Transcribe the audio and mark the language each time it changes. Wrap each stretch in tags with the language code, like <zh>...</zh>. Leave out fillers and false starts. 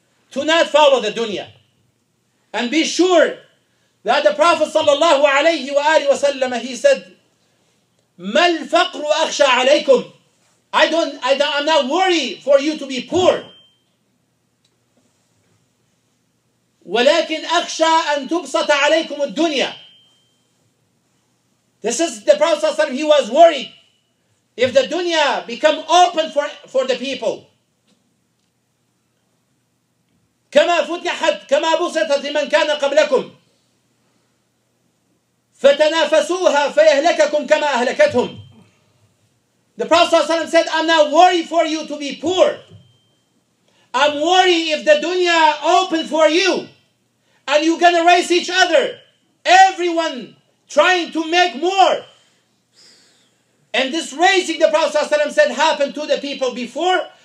<en>To not follow the dunya. And be sure that the Prophet sallallahu alayhi wa alihi wa sallam, he said,</en> <ar>مَا الْفَقْرُ أَخْشَى عَلَيْكُمْ.</ar> <en>I'm not worried for you to be poor.</en> <ar>وَلَكِنْ أَخْشَى أَن تُبْسَطَ عَلَيْكُمُ الدُّنْيَا.</ar> <en>This is the Prophet sallallahu alayhi wa sallam, he was worried. If the dunya become open for the people.</en> <ar>كما فتحت كما بسطت لمن كان قبلكم فتنافسوها فيهلككم كما أهلكتهم.</ar> <en>The Prophet</en> <ar>صلى الله عليه وسلم</ar> <en>said, I'm not worried for you to be poor. I'm worried if the dunya open for you and you're gonna race each other. Everyone trying to make more. And this racing, the Prophet ﷺ said, happened to the people before.</en>